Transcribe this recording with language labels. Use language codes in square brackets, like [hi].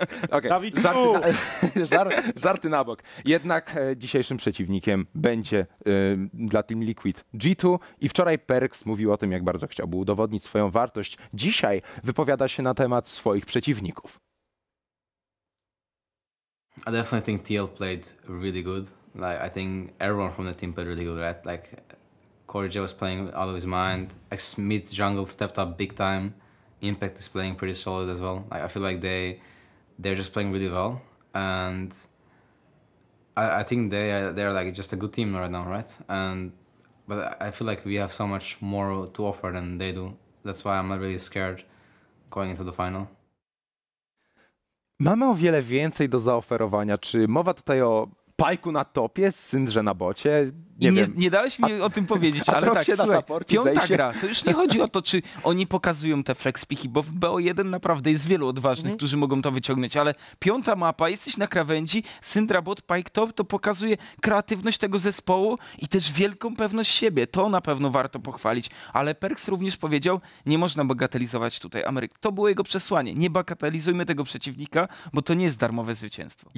[pl] Okay. Dawidku! Żarty na bok. Jednak dzisiejszym przeciwnikiem będzie dla Team Liquid G2 i wczoraj Perks mówił o tym, jak bardzo chciał udowodnić swoją wartość. Dzisiaj wypowiada się na temat swoich przeciwników. [en] I definitely think TL played really good. Like, I think everyone from the team played really good, right? Like, Corey was playing out of his mind. Mid jungle stepped up big time. Impact is playing pretty solid as well. Like, I feel like they're just playing really well. And I think they're like just a good team right now, right? And but I feel like we have so much more to offer than they do. That's why I'm not really scared going into the final. [pl] Mamy o wiele więcej do zaoferowania. Czy mowa tutaj o Pajku na topie, Syndrze na bocie? Nie dałeś mi o tym powiedzieć, ale tak, słuchaj, piąta gra, to już nie chodzi o to, czy oni pokazują te flexpiki, bo w BO1 naprawdę jest wielu odważnych, którzy mogą to wyciągnąć, ale piąta mapa, jesteś na krawędzi, Syndra Bot, Pike Top, to pokazuje kreatywność tego zespołu i też wielką pewność siebie, to na pewno warto pochwalić, ale Perks również powiedział, nie można bagatelizować tutaj Ameryki, to było jego przesłanie, nie bagatelizujmy tego przeciwnika, bo to nie jest darmowe zwycięstwo.